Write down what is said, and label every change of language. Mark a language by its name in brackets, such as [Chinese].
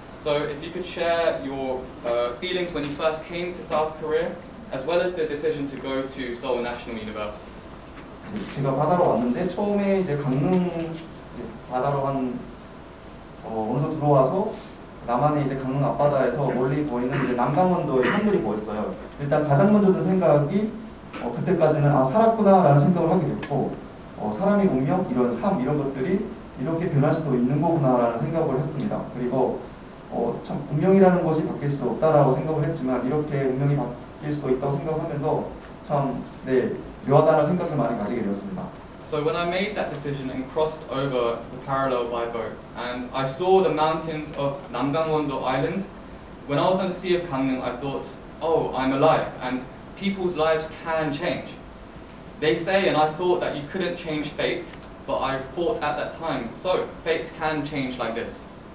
[English] So if you could share your feelings when you first came to South Korea, as well as the decision to go to Seoul National University. [Korean] 제가 바다로 왔는데 처음에 이제 강릉 바다로 한 어느 정도 들어와서 남한의 이제 강릉 앞바다에서 멀리 보이는 이제 남강원도의 산들이 보였어요. 일단 가장 먼저 든 생각이 그때까지는 살았구나라는 생각을 하게 됐고 사람의 운명 이런 삶 이런 것들이 이렇게 변할 수도 있는 거구나라는 생각을 했습니다. 그리고 참 운명이라는 것이 바뀔 수 없다라고 생각을 했지만 이렇게 운명이 바뀔 수도 있다고 생각하면서 참 네, 묘하다는 생각을 많이 가지게 되었습니다. [English] So when I made that decision and crossed over the parallel by boat and I saw the mountains of Namgangwon-do Island, when I was on the Sea of Gangneung, I thought, oh, I'm alive and people's lives can change. They say, and I thought that you couldn't change fate, but I thought at that time, so fate can change like this.